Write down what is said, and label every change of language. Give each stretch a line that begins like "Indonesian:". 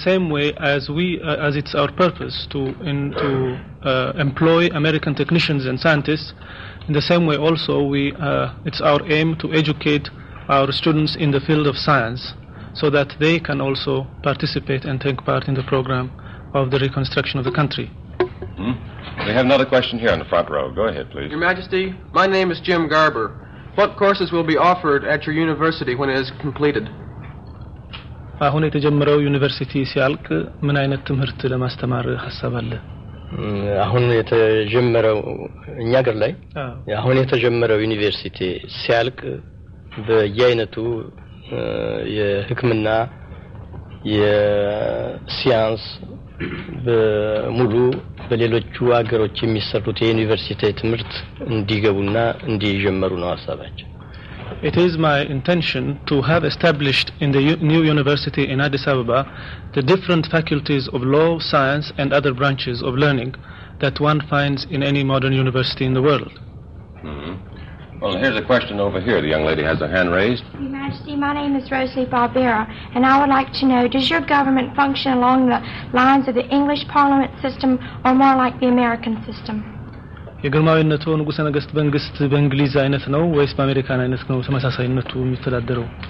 English: In the same way as it's our purpose to employ American technicians and scientists, in the same way also it's our aim to educate our students in the field of science so that they can also participate and take part in the program of the reconstruction of the country. We have another question here in the front row. Go ahead, please. Your Majesty, my name is Jim Garber. What courses will be offered at your university when it is completed?
Amharic: አሁን የተጀመረው ዩኒቨርሲቲ ሲያልቅ ምን አይነት ትምህርት ለማስተማር ሐሳብ አለ? አሁን የተጀመረው እኛ ጋር ላይ አሁን የተጀመረው ዩኒቨርሲቲ ሲያልቅ በየአይነቱ የህክምና የሳይንስ በሙሉ በሌሎቹ አገሮች የሚሰሩት የዩኒቨርሲቲ ትምህርት እንዲገቡና እንዲጀመሩ ነው ሐሳባችን።
English: It is my intention to have established in the new university in Addis Ababa the different faculties of law, science, and other branches of learning that one finds in any modern university in the world. Well, here's a question over here. The young lady has her hand raised. Your Majesty, my name is Rosalie Barbera, and I would like to know, does your government function along the lines of the English Parliament system or more like the American system?
Amharic: የግርማዊነቱ ንጉሰ ነገስት መንግስት በእንግሊዝ አይነት ነው ወይስ በአሜሪካን አይነት ነው ተመሳሳይነቱ የሚተዳደረው?